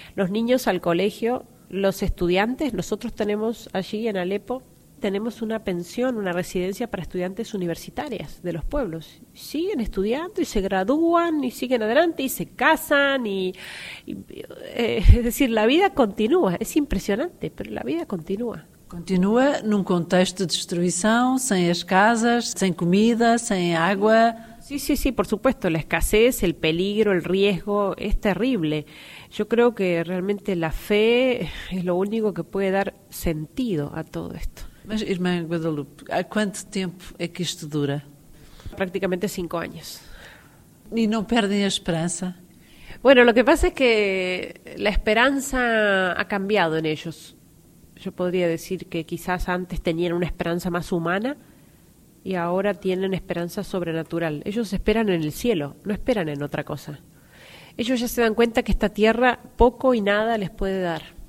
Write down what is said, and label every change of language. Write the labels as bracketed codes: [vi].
[es] Los niños al colegio, los estudiantes, nosotros tenemos allí en Alepo, tenemos una pensión, una residencia para estudiantes universitarias de los pueblos. Siguen estudiando y se gradúan y siguen adelante y se casan. Es decir, la vida continúa. Es impresionante, pero la vida continúa. [pt] Continúa num contexto de destruição, sem as casas, sem comida, sem água. [es] Sí, por supuesto, la escasez, el peligro, el riesgo, es terrible. Yo creo que realmente la fe es lo único que puede dar sentido a todo esto. [pt] Mas, irmã Guadalupe, há quanto tempo é que isto dura? Praticamente 5 anos. E não perdem a esperança? [es] Bueno, lo que pasa es que la esperanza ha cambiado en ellos. Yo podría decir que quizás antes tenían una esperanza más humana y ahora tienen esperanza sobrenatural. Ellos esperan en el cielo, no esperan en otra cosa. Ellos ya se dan cuenta que esta tierra poco y nada les puede dar.